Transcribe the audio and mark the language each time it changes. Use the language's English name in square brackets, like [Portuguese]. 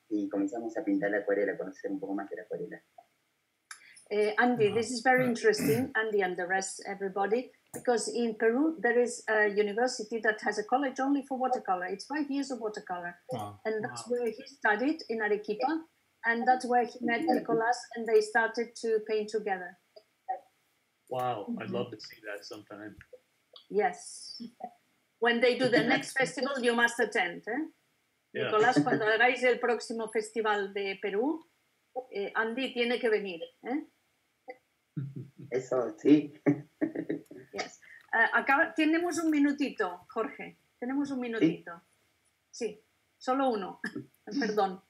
[Spanish] Y comenzamos a pintar la acuarela, a conocer un poco más de la acuarela. [English] Andy, this is very interesting, Andy and the rest, everybody, because in Peru there is a university that has a college only for watercolor. It's 5 years of watercolor. Wow. And that's wow. Where he studied, in Arequipa, and that's where he met Nicolás and they started to paint together. Wow, I'd love to see that sometime. Yes. When they do the next festival, you must attend. Eh? Yeah. [Spanish] Nicolás, cuando hagáis el próximo festival de Perú, Andy tiene que venir. Eh? Eso, sí. [English] Yes. [Spanish] Tenemos un minutito, Jorge. Tenemos un minutito. Sí, solo uno. Perdón.